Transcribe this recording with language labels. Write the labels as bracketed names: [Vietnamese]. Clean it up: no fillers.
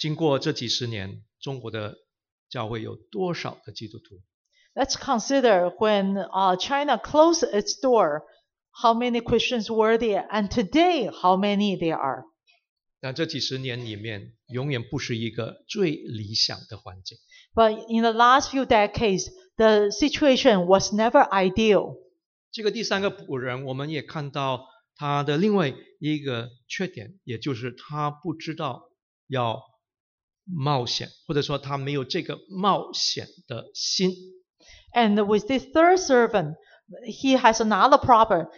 [Chinese] 当你回想中国关闭的时候,有多少基督徒经过这几十年中国的 教会有多少的基督徒? [English] Let's consider when China closed its door, how many Christians were there, and today, how many there are. [Chinese] 但这几十年里面永远不是一个最理想的环境。 [English] But in the last few decades, the situation was never ideal. [Chinese] 这个第三个仆人,我们也看到他的另外一个缺点,也就是他不知道要 冒险, [English] and with this third servant, he has another problem.